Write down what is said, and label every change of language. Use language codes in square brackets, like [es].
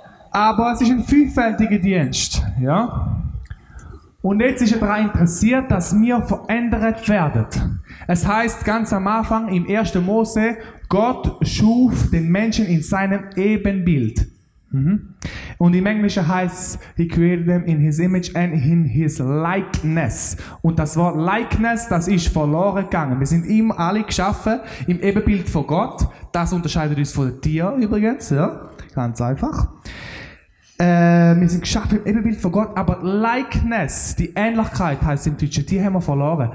[de] Aber es ist ein vielfältiger Dienst, ja. Und jetzt ist er daran interessiert, dass wir verändert werden. Es heißt ganz am Anfang im 1. Mose, Gott schuf den Menschen in seinem Ebenbild. Und im Englischen heißt es, [en] he created them in his image and in his likeness. [de] Und das Wort likeness, das ist verloren gegangen. Wir sind ihm alle geschaffen im Ebenbild von Gott. Das unterscheidet uns von den Tieren übrigens, ja. Ganz einfach. Wir sind geschaffen im Ebenbild von Gott, aber Likeness, die Ähnlichkeit heisst im Deutschen, die haben wir verloren.